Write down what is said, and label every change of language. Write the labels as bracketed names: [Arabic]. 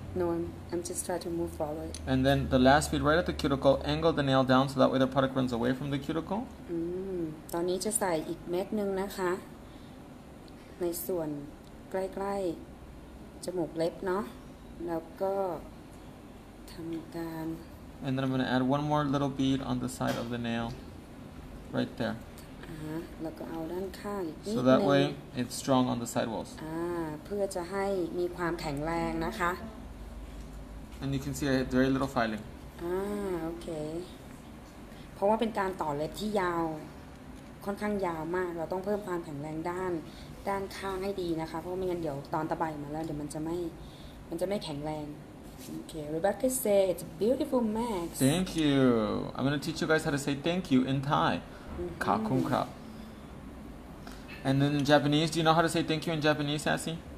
[English] No, I'm just trying to move forward. And then the last bead right at the cuticle, angle the nail down so that way the product runs away from the cuticle. [Thai] ตอนนี้จะใส่อีกเม็ดนึงนะคะในส่วนใกล้ๆจมูกเล็บเนาะแล้วก็ทำการ [English] And then I'm going to add one more little bead on the side of the nail right there. [Thai] แล้วก็เอาด้านข้างอีกนิดนึง [English] So that way it's strong on the sidewalls. [Thai] เพื่อจะให้มีความแข็งแรงนะคะ [English] And you can see I have very little filing. [Thai] โอเคเพราะว่าเป็นการต่อเล็บที่ยาวค่อนข้างยาวมากเราต้องเพิ่มความแข็งแรงด้านข้างให้ดีนะคะเพราะไม่งั้นเดี๋ยวตอนตะไบมาแล้วเดี๋ยวมันจะไม่แข็งแรงโอเค [English] Rebecca say it's a beautiful max. Thank you. I'm going to teach you guys how to say thank you in Thai. [Thai] ขอบคุณครับ [English] And then in Japanese, do you know how to say thank you in Japanese, Sassy?